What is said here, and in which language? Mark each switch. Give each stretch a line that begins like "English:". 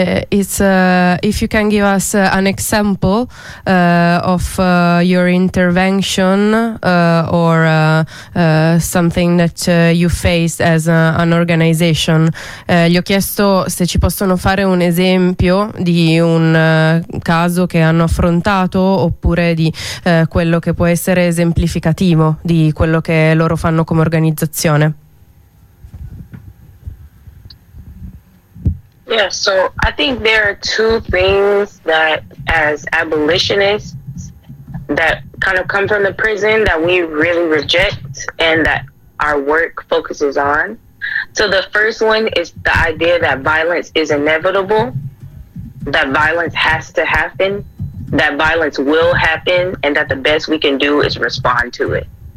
English: It's if you can give us an example of your intervention or something that you faced as an organization.
Italian: Gli ho chiesto se ci possono fare un esempio di un caso che hanno affrontato, oppure di quello che può essere esemplificativo di quello che loro fanno come organizzazione.
English: Yeah, so I think there are two things that as abolitionists that kind of come from the prison that we really reject and that our work focuses on. So the first one is the idea that violence is inevitable, that violence has to happen, that violence will happen, and that the best we can do is respond to it.